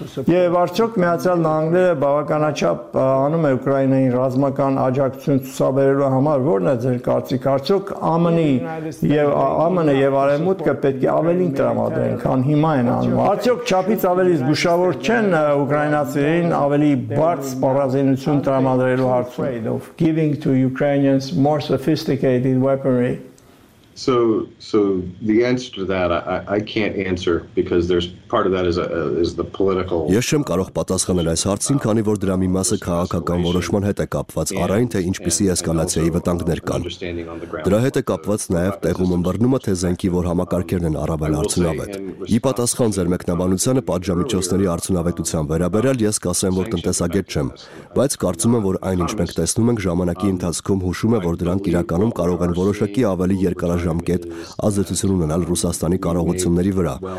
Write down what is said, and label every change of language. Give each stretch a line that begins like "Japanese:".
Armenian: Եվ արդյոք Միացյալ Նահանգները բավականաչափ անում է Ուկրաինային ռազմական աջակցություն ցուցաբերելու համար, որն է ձեր կարծիք, արդյոք ԱՄՆ-ի եւ ԱՄՆ-ը եւ Արևմուտքը պետք է ավելին տրամադրեն, քան հիմա են անում։ Արդյոք չափից ավելի զգուշավոր չեն ուկրաինացիներին ավելի բարձ սպառազինություն տրամադրելու հարցում։
English: Giving to Ukrainians more sophisticated weaponry. So the answer to that I can't answer because there's part of that is the political.
Armenian: Ես չեմ կարող պատասխանել այս հարցին, քանի որ դրա մի մասը քաղաքական որոշման հետ է կապված, առանց թե ինչպեսի էսկալացիայի վտանգներ կան։ Դրա հետ է կապված նաև տեղում ըմբռնումը, թե զենքի որ համակարգերն են առավել արդյունավետ։ Ի պատասխան ձեր մեկնաբանությանը պատժամիջոցների արդյունավետության վերաբերյալ ես կասեմ, որ տնտեսագետ չեմ, բայց կարծում եմ, որ այն ինչ մենք տեսնում ենք ժամանակի ընթացքում հուշում է, որ դրանք իրականում կարող են որոշակի ավելի երկար ժամկետ ազդեցություն ունենալ Ռուսաստանի կարողությունների վրա,